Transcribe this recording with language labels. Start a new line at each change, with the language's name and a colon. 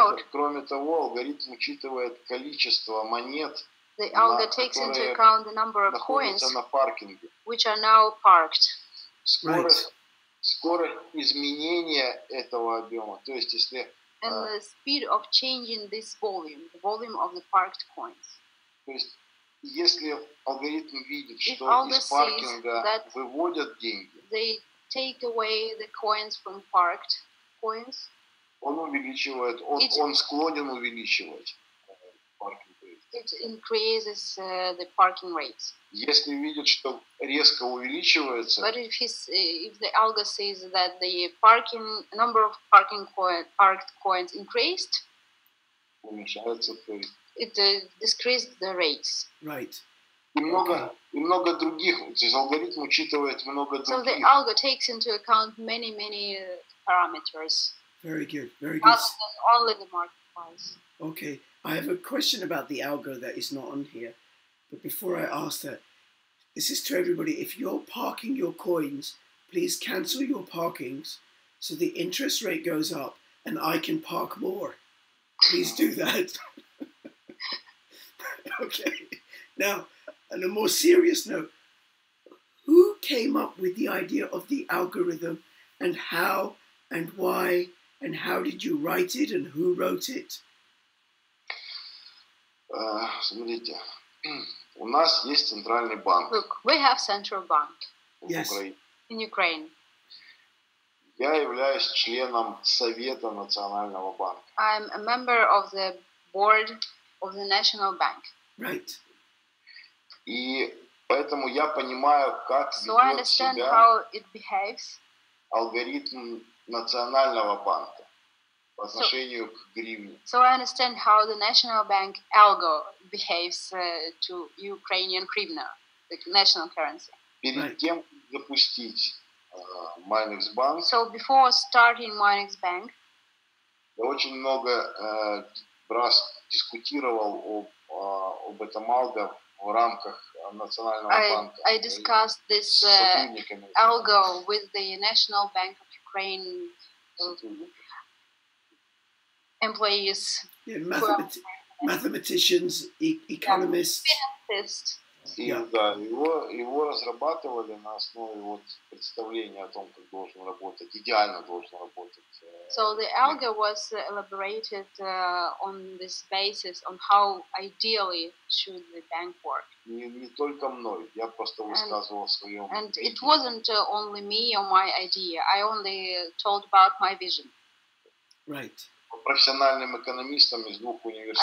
Russian: Кроме того, алгоритм учитывает количество монет.
English: The algo takes into account the number of coins which are now parked.
Russian: Скорость изменения этого объема, то есть если
English: and the speed of changing this volume, the volume of the parked coins.
Russian: Если алгоритм видит, что из паркинга выводят деньги,
English: they take away the coins from parked coins,
Russian: он увеличивает, он склонен увеличивать паркинг
English: rate. It increases the parking rates.
Russian: Если видит, что резко увеличивается,
English: but if the algo says that the parking number of parking parked coins increased,
Russian: уменьшается rate.
English: It decreased the rates. Right. И много других. То есть алгоритм учитывает много других. So the algo takes into account many, many parameters. Very good. Very good. Other than only the market price. Okay. I have a question about the algo that is not on here. But before I ask that, this is to everybody. If you're parking your coins, please cancel your parkings so the interest rate goes up and I can park more. Please do that. Okay. Now, on a more serious note, who came up with the idea of the algorithm, and how and why and how did you write it and who wrote it?
Russian: Смотрите, у нас есть центральный банк.
English: Look, we have central bank. Yes. In Ukraine.
Russian: Я являюсь членом Совета Национального банка.
English: I'm a member of the board of the National Bank. Right.
Russian: И поэтому я понимаю, как ведет себя.
English: So I understand how it behaves.
Russian: Алгоритм Национального банка. По отношению к гривне.
English: So I understand how the National Bank algo behaves to Ukrainian hryvnia, the national currency.
Russian: Перед тем, как запустить Minexbank.
English: So before starting Minexbank.
Russian: Я очень много раз дискутировал об этом алго в рамках Национального банка.
English: I discussed this algo with the National Bank of Ukraine. Employees, yeah, mathematicians, economists.
Russian: Его разрабатывали на основе вот представления о том, как должен работать, идеально должен работать.
English: So the algo was elaborated on this basis on how ideally should the bank work.
Russian: Не только мной, я просто высказывал свое.
English: And it wasn't only me or my idea. I only told about my vision. Right.
Russian: Профессиональным экономистам из двух университетов.